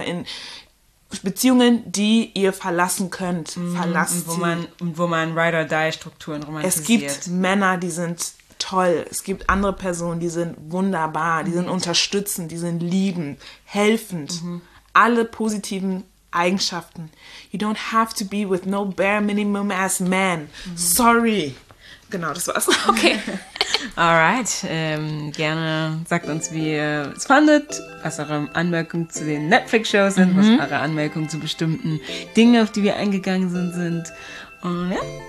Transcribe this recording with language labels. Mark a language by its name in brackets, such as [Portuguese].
[German] Aber in Beziehungen, die ihr verlassen könnt, verlassen sie. Und wo man Ride-or-Die-Strukturen romantisiert. Es gibt Männer, die sind toll. Es gibt andere Personen, die sind wunderbar, die sind unterstützend, die sind liebend, helfend. Mhm. Alle positiven Eigenschaften. [English] You don't have to be with no bare minimum as man. [German] Mhm. Sorry. Genau, das war's. Okay. [English] Alright. [German] Gerne sagt uns, wie ihr es fandet, was eure Anmerkungen zu den Netflix-Shows sind, was eure Anmerkungen zu bestimmten Dingen, auf die wir eingegangen sind. Und ja.